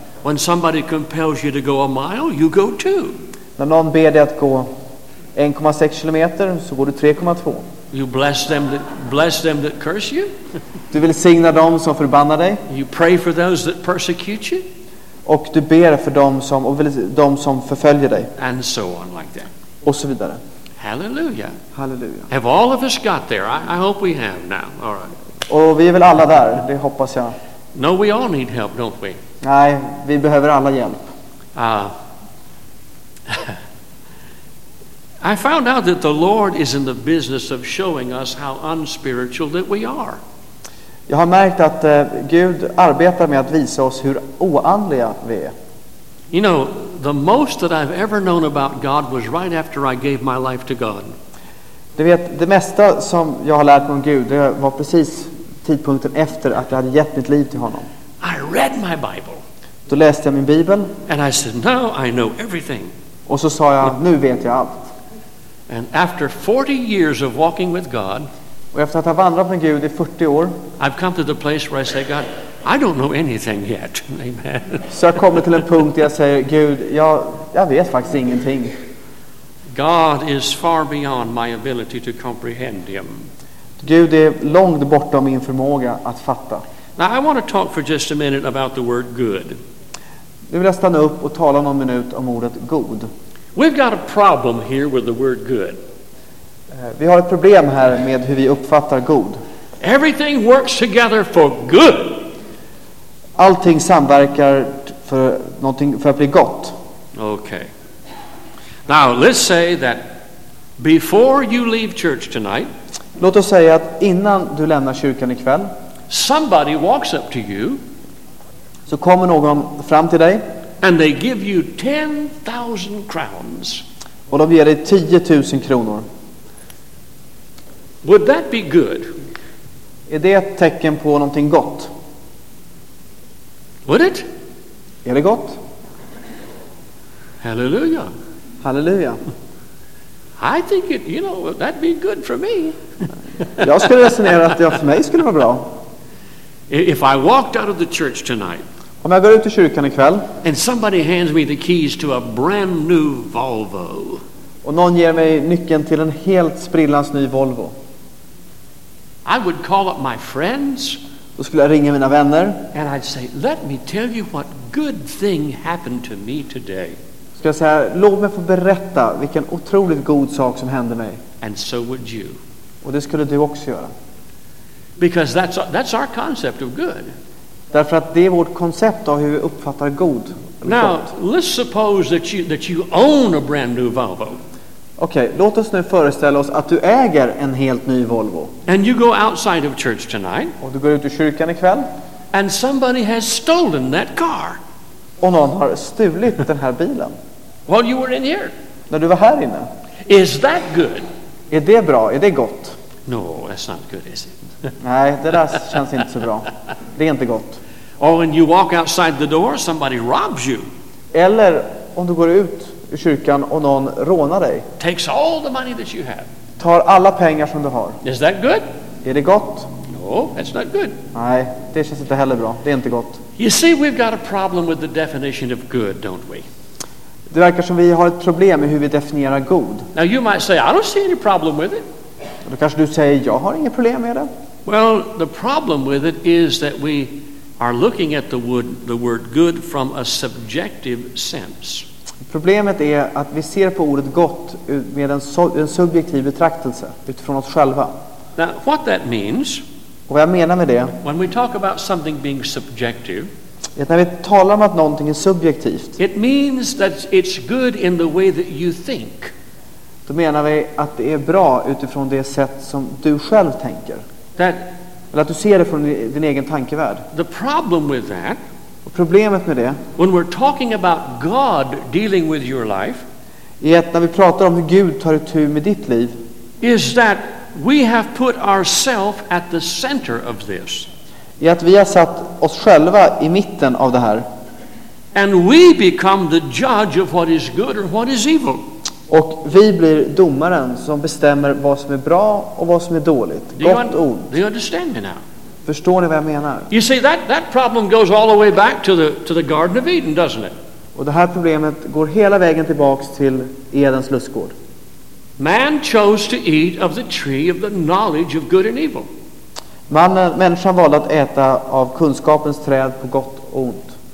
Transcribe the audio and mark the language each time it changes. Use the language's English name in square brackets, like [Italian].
[English] When somebody compels you to go a mile, you go two. [Swedish] När någon ber dig att gå 1,6 kilometer så går du 3,2. [English] You bless them that curse you. [Swedish] Du vill signa dem som förbannar dig. [English] You pray for those that persecute you. [Swedish] Och du ber för dem som förföljer dig. [English] And so on like that. [Swedish] Och så vidare. [English] Hallelujah. [Swedish] Hallelujah. [English] Have all of us got there? I hope we have now. All right. [Swedish] Och vi är väl alla där, det hoppas jag. [English] No, we all need help, don't we? [Swedish] Nej, vi behöver alla hjälp. [English] I found out that the Lord is in the business of showing us how unspiritual that we are. [Swedish] Jag har märkt att Gud arbetar med att visa oss hur oandliga vi är. [English] You know, the most that I've ever known about God was right after I gave my life to God. [Swedish] Du vet, det mesta som jag har lärt mig om Gud, det var precis tidpunkten efter att jag hade gett mitt liv till honom. [English] I read my Bible. [Swedish] Då läste jag min bibel. [English] And I said, "Now I know everything." [Swedish] Och så sa jag, nu vet jag allt. [English] And after 40 years of walking with God, [Swedish] och efter att ha vandrat med Gud i 40 år, [English] I've come to the place where I say, God, I don't know anything yet. Amen. [Swedish] Så jag kommer till en punkt där jag säger, Gud, jag vet faktiskt ingenting. [English] God is far beyond my ability to comprehend him. [Swedish] Gud är långt bortom min förmåga att fatta. [English] Now I want to talk for just a minute about the word good. [Swedish] Nu vill jag stanna upp och tala någon minut om ordet god. [English] We've got a problem here with the word good. [Swedish] Vi har ett problem här med hur vi uppfattar god. [English] Everything works together for good. [Swedish] Allting samverkar för någonting, för att bli gott. [English] Okay. Now let's say that before you leave church tonight, [Swedish] låt oss säga att innan du lämnar kyrkan ikväll, [English] somebody walks up to you. [Swedish] Så kommer någon fram till dig. [English] And they give you 10,000 crowns. [Swedish] Och de ger dig 10 000 kronor. [English] Would that be good? [Swedish] Är det ett tecken på någonting gott? [English] Would it? [Swedish] Är det gott? [English] Hallelujah. [Swedish] Hallelujah. [English] I think it, you know, that'd be good for me. [Swedish] Jag skulle resonera att det för mig skulle vara bra. [English] If I walked out of the church tonight, [Swedish] om jag går ut i kyrkan ikväll, [English] and somebody hands me the keys to a brand new Volvo, [Swedish] och någon ger mig nyckeln till en helt sprillans ny Volvo, [English] I would call up my friends, [Swedish] då skulle jag ringa mina vänner, [English] and I'd say, let me tell you what good thing happened to me today. [Swedish] Ska jag säga, låt mig få berätta vilken otroligt god sak som hände mig. [English] And so would you. [Swedish] Och det skulle du också göra. [English] Because that's our concept of good. [Swedish] Därför att det är vårt koncept av hur vi uppfattar god. [English] Now, [Swedish] gott. [English] Let's suppose that you own a brand new Volvo. [Swedish] Okay, låt oss nu föreställa oss att du äger en helt ny Volvo. [English] And you go outside of church tonight. [Swedish] Och du går ut ur kyrkan ikväll. [English] And somebody has stolen that car. [Swedish] Och någon har stulit den här bilen. [English] While you were in here. [Swedish] När du var här inne. [English] Is that good? [Swedish] Är det bra? Är det gott? [English] No, that's not good, is it? [Swedish] Nej, det där känns inte så bra. Det är inte gott. [English] Or when you walk outside the door, somebody robs you. [Swedish] Eller om du går ut ur kyrkan och någon rånar dig. [English] Takes all the money that you have. [Swedish] Tar alla pengar som du har. [English] Is that good? [Swedish] Är det gott? [English] No, that's not good. [Swedish] Nej, det känns inte heller bra. Det är inte gott. [English] You see, we've got a problem with the definition of good, don't we? [Swedish] Det verkar som vi har ett problem med hur vi definierar god. [English] Now you might say, I don't see any problem with it. [Swedish] Och då kanske du säger, jag har inget problem med det. [English] Well, the problem with it is that we are looking at the word good from a subjective sense. [Swedish] Problemet är att vi ser på ordet gott med en subjektiv betraktelse utifrån oss själva. [English] Now, what that means? [Swedish] Och vad jag menar med det? [English] When we talk about something being subjective, [Swedish] att när vi talar om att någonting är subjektivt, [English] it means that it's good in the way that you think. [Swedish] Då menar vi att det är bra utifrån det sätt som du själv tänker. [English] That, [Swedish] eller att du ser det från din egen tankevärld. [English] The problem with that, [Swedish] och problemet med det, [English] when we're talking about God dealing with your life, [Swedish] är att när vi pratar om hur Gud tar itu med ditt liv, [English] is that we have put ourselves at the center of this. [Swedish] Är att vi har satt oss själva i mitten av det här. [English] And we become the judge of what is good or what is evil. [Swedish] Och vi blir domaren som bestämmer vad som är bra och vad som är dåligt. Gott och ont. [English] Do you understand me now? [Swedish] Förstår ni vad jag menar? [English] You see, that problem goes all the way back to the Garden of Eden, doesn't it? [Swedish] Och det här problemet går hela vägen tillbaks till Edens lustgård. [English] Man chose to eat of the tree of the knowledge of good and evil. [Swedish] Människan valde att äta av kunskapens träd på gott och ont.